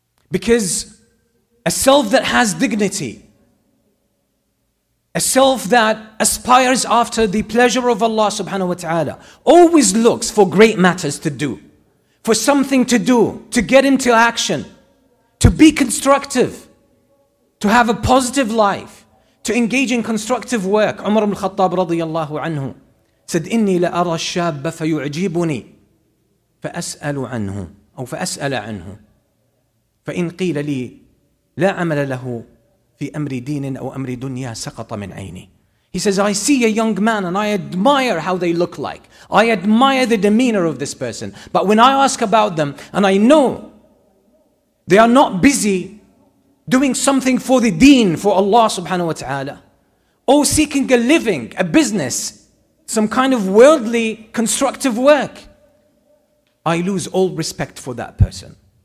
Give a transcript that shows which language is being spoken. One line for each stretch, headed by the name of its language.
English: Because a self that has dignity, a self that aspires after the pleasure of Allah subhanahu wa ta'ala, always looks for great matters to do, for something to do, to get into action, to be constructive, to have a positive life, to engage in constructive work.
Arabic: Umar ibn al-Khattab radiyallahu anhu said, إِنِّي لَأَرَى الشَّابَّ فَيُعْجِبُنِي فَأَسْأَلُ عَنْهُ أو فَأَسْأَلَ عَنْهُ فَإِنْ قِيلَ لِي لَا عَمَلَ لَهُ فِي أَمْرِ دِينٍ أَوْ أَمْرِ دُنْيَا سَقَطَ مِنْ عَيْنِي.
English: He says, I see a young man and I admire how they look like. I admire the demeanor of this person. But when I ask about them and I know they are not busy doing something for the deen, for Allah subhanahu wa ta'ala, or seeking a living, a business, some kind of worldly constructive work, I lose all respect for that person.